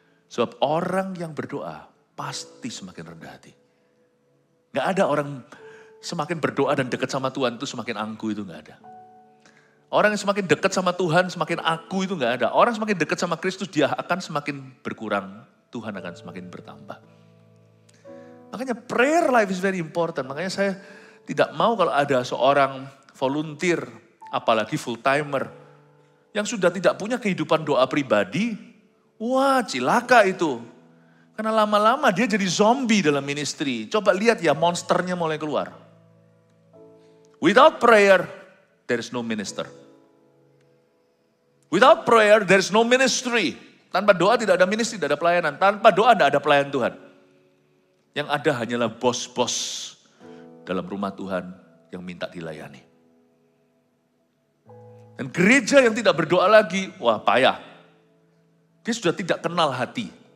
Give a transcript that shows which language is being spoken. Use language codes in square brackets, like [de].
[id] Sebab orang yang berdoa pasti semakin rendah hati. Gak ada orang semakin berdoa dan dekat sama Tuhan itu semakin angku, itu gak ada. Orang yang semakin dekat sama Tuhan semakin aku, itu gak ada. Orang semakin dekat sama Kristus dia akan semakin berkurang. Tuhan akan semakin bertambah. [en] Makanya prayer life is very important. [id] Makanya saya tidak mau kalau ada seorang volunteer, apalagi full timer, yang sudah tidak punya kehidupan doa pribadi, wah cilaka itu. Karena lama-lama dia jadi zombie dalam ministry. Coba lihat ya, monsternya mulai keluar. [en] Without prayer, there is no minister. Without prayer, there is no ministry. [id] Tanpa doa tidak ada ministry, tidak ada pelayanan. Tanpa doa tidak ada pelayanan Tuhan. Yang ada hanyalah bos-bos dalam rumah Tuhan yang minta dilayani. Dan gereja yang tidak berdoa lagi, wah payah. Dia sudah tidak kenal hati.